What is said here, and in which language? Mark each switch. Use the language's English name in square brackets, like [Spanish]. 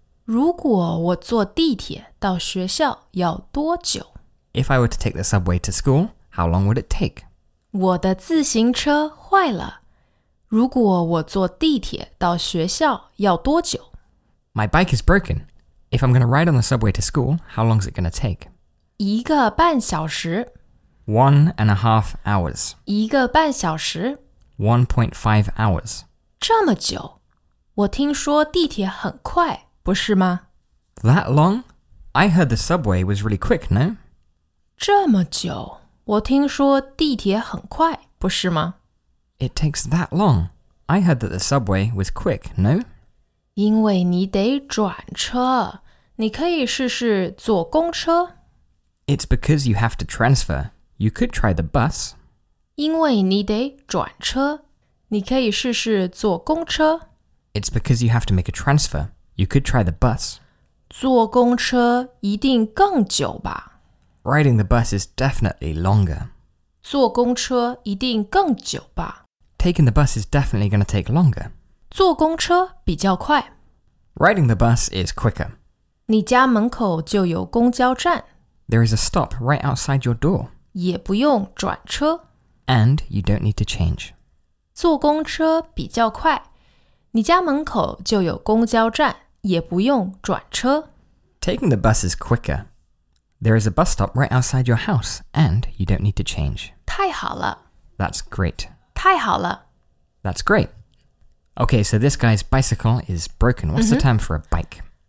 [Chinese] 如果我坐地铁到学校要多久? [English] If I were to take the subway to school, how long would it take? [Chinese] 我的自行车坏了。如果我坐地铁到学校要多久? [English] My bike is broken. If I'm going to ride on the subway to school, how long is it going to take? [Chinese] 一个半小时。 [English] 1.5 hours. [Chinese] 一个半小时。 [English] 1.5 hours. [Chinese] 这么久？我听说地铁很快，不是吗？ [English] That long? I heard the subway was really quick, no? [Chinese] 这么久？我听说地铁很快，不是吗？ [English] It takes that long. I heard that the subway was quick, no? [Chinese] 因为你得转车，你可以试试坐公车。 [English] It's because you have to transfer. You could try the bus. [Chinese] 因为你得转车，你可以试试坐公车。 [English] It's because you have to make a transfer. You could try the bus. [Chinese] 坐公车一定更久吧。 [English] Riding the bus is definitely longer. [Chinese] 坐公车一定更久吧。 [English] Taking the bus is definitely going to take longer. [Chinese] 坐公车比较快。 [English] Riding the bus is quicker. [Chinese] 你家门口就有公交站。 [English] There is a stop right outside your door. [Chinese] 也不用转车。 [English] And you don't need to change. [Chinese] 坐公车比较快。你家门口就有公交站，也不用转车。 [English] Taking the bus is quicker. There is a bus stop right outside your house, and you don't need to change. [Chinese] 太好了。 [English] That's great. [Chinese] 太好了。 [English] That's great. Okay, so this guy's bicycle is broken. What's the time for a bike?